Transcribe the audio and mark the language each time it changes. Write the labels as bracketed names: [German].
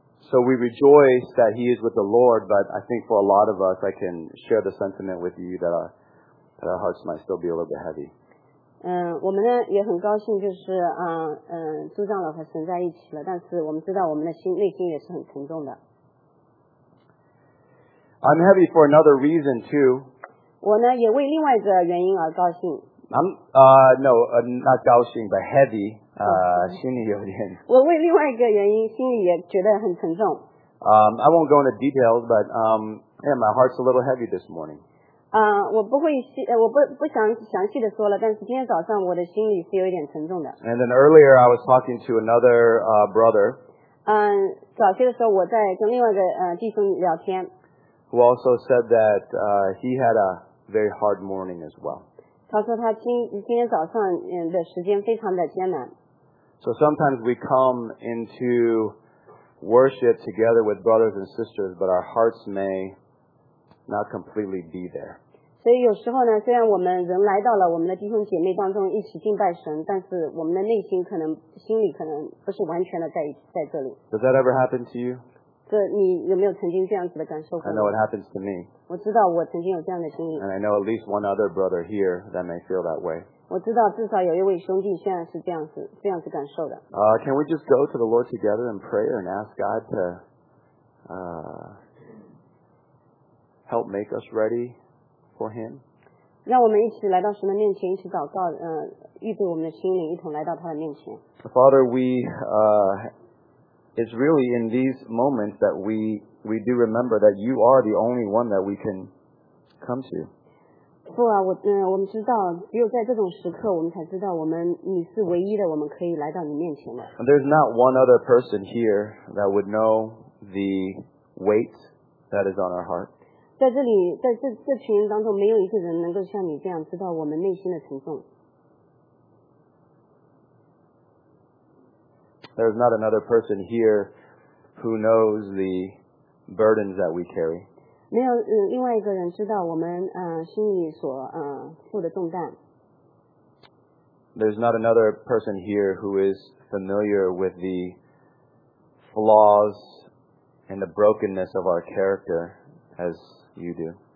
[English] So we rejoice that he is with the Lord, but I think for a lot of us, I can share the sentiment with you that our hearts might still be a little bit heavy. [Chinese] 我们呢也很高兴，就是朱长老和神在一起了，但是我们知道我们的心内心也是很沉重的。 [English] I'm heavy for another reason too. [Chinese] 我呢也为另外一个原因而高兴。 [English] Not 高兴 but heavy. [Chinese] 心里有点。我为另外一个原因，心里也觉得很沉重。 [English] I won't go into details, but yeah, my heart's a little heavy this morning. [Chinese] 我不想详细的说了，但是今天早上我的心里是有一点沉重的。 [English] And then earlier I was talking to another brother. [Chinese] 早些的时候我在跟另外一个弟兄聊天。 [English] Who also said that he had a very hard morning as well. [Chinese] 他说他今天早上的时间非常的艰难。 [English] So sometimes we come into worship together with brothers and sisters, but our hearts may not completely be there. [Chinese] 所以有时候呢，虽然我们人来到了我们的弟兄姐妹当中一起敬拜神，但是我们的内心可能心里可能不是完全的在这里。 [English] Does that ever happen to you? [Chinese] 这你有没有曾经这样子的感受过？ [English] I know it happens to me. [Chinese] 我知道我曾经有这样的经历。 [English] And I know at least one other brother here that may feel that way. [Chinese] 我知道至少有一位兄弟现在是这样子感受的。 [English] Can we just go to the Lord together in prayer and ask God to help make us ready for Him? [Chinese] 让我们一起来到神的面前，一起祷告，预备我们的心灵，一同来到他的面前。 [English] Father, we it's really in these moments that we do remember that you are the only one that we can come to. [Chinese] 父啊，我们知道，只有在这种时刻，我们才知道你是唯一的，我们可以来到你面前的。 [English] And there's not one other person here that would know the weight that is on our heart. [Chinese] 在这里，在这群人当中，没有一个人能够像你这样知道我们内心的沉重。 [English] There's not another person here who knows the burdens that we carry. [Chinese] 没有另外一个人知道我们心里所负的重担。 [English] There's not another person here who is familiar with the flaws and the brokenness of our character as you do.